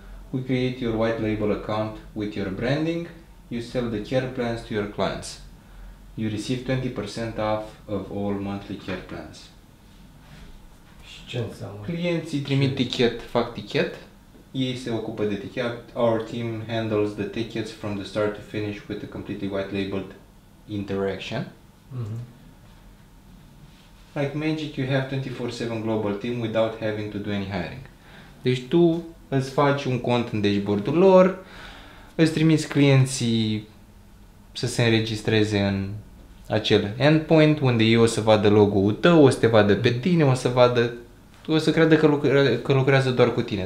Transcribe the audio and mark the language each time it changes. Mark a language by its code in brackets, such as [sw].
[en] We create your white label account with your branding. You sell the care plans to your clients. You receive 20% off of all monthly care plans. [ro] Și ce înseamnă? Clienții trimit tichet, fac tichet. Ei se ocupă de tichet. [en] Our team handles the tickets from the start to finish with a completely white-labeled interaction. Mm-hmm. Like magic, you have 24/7 global team without having to do any hiring. [ro] Deci tu îți faci un cont în dashboard-ul lor, îți trimiți clienții să se înregistreze în acel endpoint unde eu o să vadă logo-ul tău, o să te vadă pe tine, o să vadă, o să creadă că, că lucrează doar cu tine.